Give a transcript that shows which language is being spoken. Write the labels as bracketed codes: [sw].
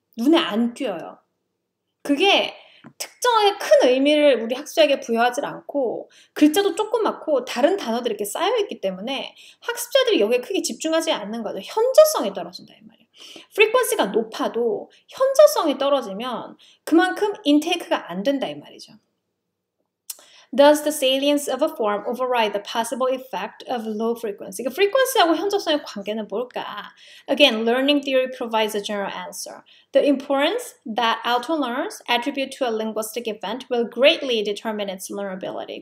[ko] 눈에 안 띄어요. 그게 특정의 큰 의미를 우리 학습자에게 부여하지 않고 글자도 조그맣고 다른 단어들이 이렇게 쌓여 있기 때문에 학습자들이 여기에 크게 집중하지 않는 거죠. 현저성이 떨어진다 이 말이에요. 프리퀀시가 높아도 현저성이 떨어지면 그만큼 인테이크가 안 된다 이 말이죠. [en] Does the salience of a form override the possible effect of low frequency? [ko] 그러니까 프리퀀시하고 현저성의 관계는 뭘까? [en] Again, learning theory provides a general answer. The importance that auto learners attribute to a linguistic event will greatly determine its learnability.